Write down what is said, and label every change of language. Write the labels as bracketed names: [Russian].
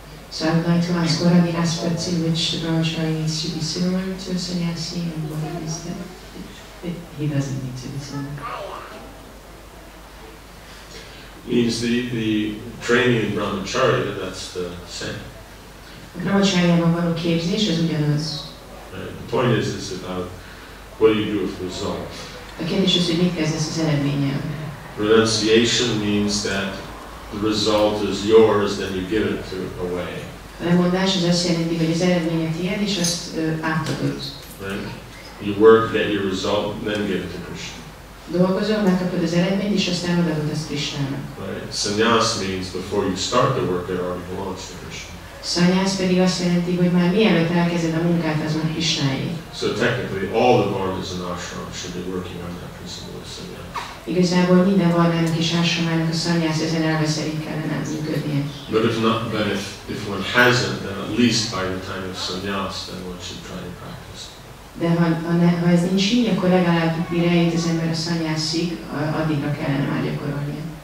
[English] So I would like to ask, what are the aspects in which the Brahmachari needs to be similar to a sannyasi, and what is that he doesn't need to be similar? Means the training in Brahmacharya, that's the same. [Hungarian] A Brahmacharya-ban való képzés, az ugyanaz. [English] The point is, it's about what do you do with the result. [Hungarian] A kérdés az, hogy mit kezdesz az eredménnyel. [English] Renunciation means that the result is yours, then you give it away. [Hungarian] A lemondás az azt jelenti, hogy az eredményet ilyen, és azt átadod. [English] Right? You work, get your result, then give it to Krishna. [Hungarian] Dolgozol, megkapod az eredményt, és aztán odaadod azt Krishnának. [English] Right? Sannyas means before you start the work, it already belongs to Krishna. [Hungarian] Sannyas pedig azt jelenti, hogy már mielőtt elkezded a munkát, az már Krishnáé. [English] So technically, all the varnas in ashram should be working on that principle of sannyas. [Hungarian] Igazából minden varnának és ashramának a sannyas ezen elve szerint kellene működnie. [English] But if not, then if one hasn't, then at least by the time of sannyas, then one should try to practice. [Hungarian] De ha ez nincs így, akkor legalább mire jut az ember a sannyasig, addigra kellene már gyakorolni.